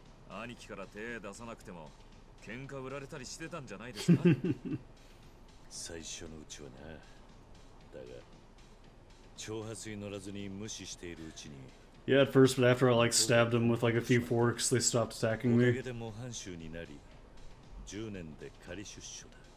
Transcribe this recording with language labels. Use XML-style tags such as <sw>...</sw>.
<ja>兄貴から手出さなくても喧嘩売られたりしてたんじゃないですか？最初のうちはな。だが挑発に乗らずに無視しているうちに。</ja> <en>Yeah, at first, but after I like stabbed him with like a few forks, they stopped attacking me.</en> <ja>おかげで模範囚になり、10年で仮出所だ。</ja>